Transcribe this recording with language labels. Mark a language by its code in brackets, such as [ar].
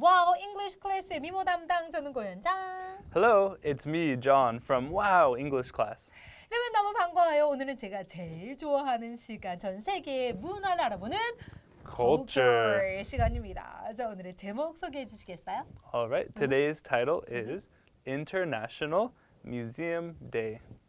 [ko] Wow English Class의 미모 담당 저는 고현장. [en] Hello, it's me, John from Wow English Class. [ko] 여러분 너무 반가워요. 오늘은 제가 제일 좋아하는 시간, 전 세계의 문화를 알아보는 [en] Culture [ko] 시간입니다. 자, 오늘의 제목 소개해 주시겠어요? [en] All right, today's title is International Museum Day.